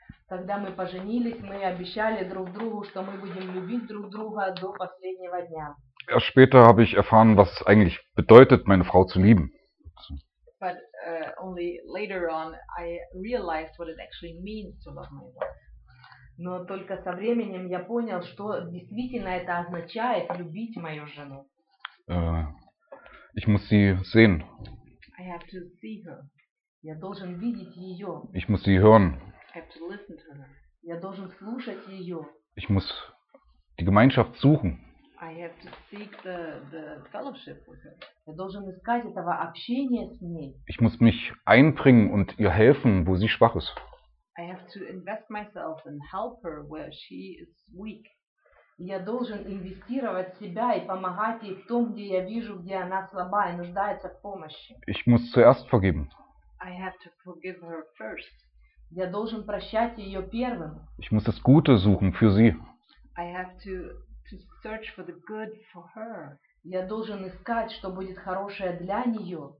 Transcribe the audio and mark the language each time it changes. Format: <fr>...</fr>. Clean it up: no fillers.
<ru>Когда мы поженились, мы обещали друг другу, что мы будем любить друг друга до последнего дня.</ru> <de>Erst später habe ich erfahren, was es eigentlich bedeutet, meine Frau zu lieben.</de> <en>But only later on I realized what it actually means to love my wife.</en> <ru>Но только со временем я понял, что действительно это означает любить мою жену.</ru> <de>Ich muss sie sehen.</de> <en>I have to see her.</en> <ru>Я должен видеть ее.</ru> <de>Ich muss sie hören.</de> <en>I have to listen to her.</en> <ru>Я должен слушать ее.</ru> <de>Ich muss die Gemeinschaft suchen.</de> <en>I have to seek the fellowship with her.</en> <ru>Я должен искать этого общения с ней.</ru> <de>Ich muss mich einbringen und ihr helfen, wo sie schwach ist.</de> <en>I have to invest myself and help her where she is weak.</en> <ru>Я должен инвестировать себя и помогать ей в том, где я вижу, где она слаба и нуждается в помощи.</ru> <de>Ich muss zuerst vergeben.</de> <en>I have to forgive her first.</en> <ru>Я должен прощать ее первым.</ru> <de>Ich muss das Gute suchen für sie.</de> <en>I have to search for the good for her.</en> <ru>Я должен искать, что будет хорошее для нее.</ru>